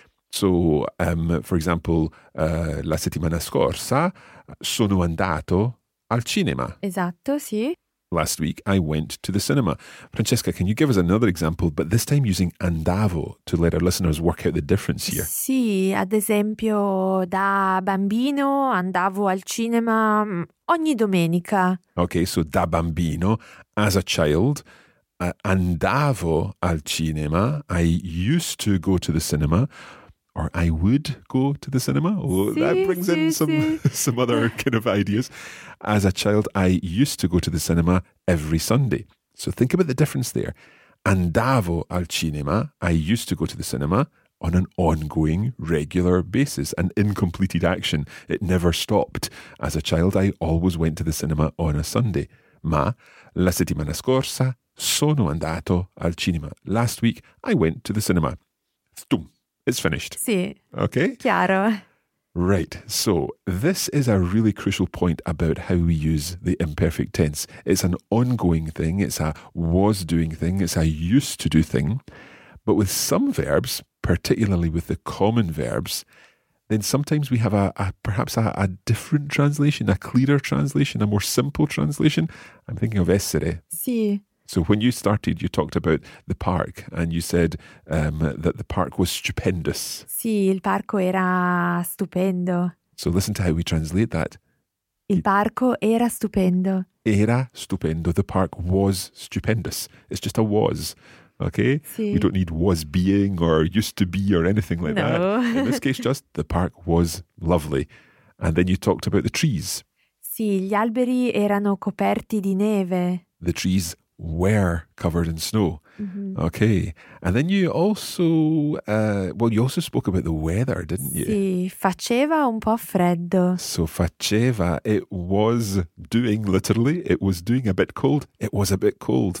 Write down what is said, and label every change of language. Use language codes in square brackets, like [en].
[en] So, for example, [it] la settimana scorsa, sono andato al cinema. Esatto, sì. [en] Last week, I went to the cinema. Francesca, can you give us another example, but this time using andavo to let our listeners work out the difference here? [it] Sì, ad esempio, da bambino andavo al cinema ogni domenica. [en] Okay, so da bambino, as a child, [it] andavo al cinema. [en] I used to go to the cinema. Or I would go to the cinema. Well, sì, that brings [it] sì, [en] in some, [it] sì. [en] some other kind of ideas. As a child, I used to go to the cinema every Sunday. So think about the difference there. [it] Andavo al cinema. [en] I used to go to the cinema on an ongoing, regular basis, an incompleted action. It never stopped. As a child, I always went to the cinema on a Sunday. [it] Ma la settimana scorsa sono andato al cinema. [en] Last week, I went to the cinema. Stum. It's finished. [it] Sì. [en] Okay? [it] Chiaro. [en] Right. So this is a really crucial point about how we use the imperfect tense. It's an ongoing thing. It's a was doing thing. It's a used to do thing. But with some verbs, particularly with the common verbs, then sometimes we have a different translation, a clearer translation, a more simple translation. I'm thinking of essere. [it] Sì. [en] So when you started, you talked about the park and you said that the park was stupendous. [it] Sì, il parco era stupendo. [en] So listen to how we translate that. [it] Il parco era stupendo. Era stupendo. [en] The park was stupendous. It's just a was. Okay? [it] Sì. [en] We don't need was being or used to be or anything like no. that. In this case, just the park was lovely. And then you talked about the trees. [it] Sì, gli alberi erano coperti di neve. [en] The trees were covered in snow. Mm-hmm. Okay. And then you also, you also spoke about the weather, didn't you? [it] Sì, faceva un po' freddo. [en] So faceva, it was doing, literally, it was doing a bit cold. It was a bit cold.